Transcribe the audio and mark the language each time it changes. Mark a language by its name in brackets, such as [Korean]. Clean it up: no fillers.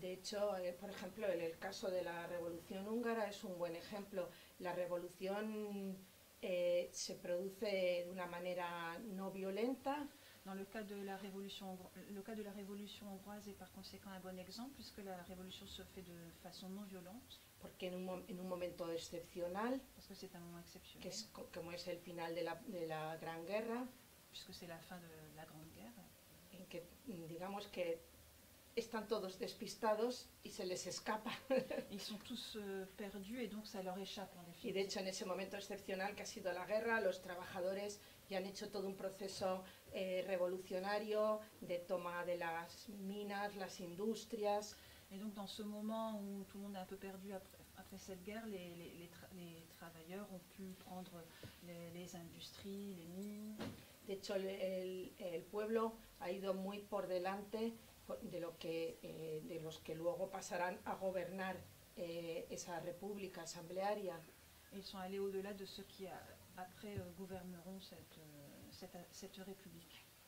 [Spanish] De hecho, por ejemplo, el caso de la revolución húngara es un buen ejemplo. La revolución se produce de una manera no violenta. [French] Dans le cas de la révolution hongroise est par conséquent un bon exemple, puisque la révolution se fait de façon non violente. [Spanish] Porque en un momento excepcional, [French] parce que c'est un moment exceptionnel. [Spanish] Que es, como es el final de la Gran Guerra, [French] puisque c'est la fin de la Grande Guerre. [Spanish] En que, digamos que están todos despistados y se les escapa. [French] Ils sont tous perdus et donc ça leur échappe en définitive. [Spanish] Y de hecho en ese momento excepcional que ha sido la guerra, los trabajadores ya han hecho todo un proceso révolutionnaire de toma de las minas, las industrias. [French] Et donc dans ce moment où tout le monde est un peu perdu après cette guerre, les travailleurs ont pu prendre les industries, les mines. [Spanish] De hecho, el pueblo ha ido muy por delante de los que luego pasarán a gobernar esa república asamblearia. [French] Ils sont allés au-delà de ceux qui après gouverneront cette république.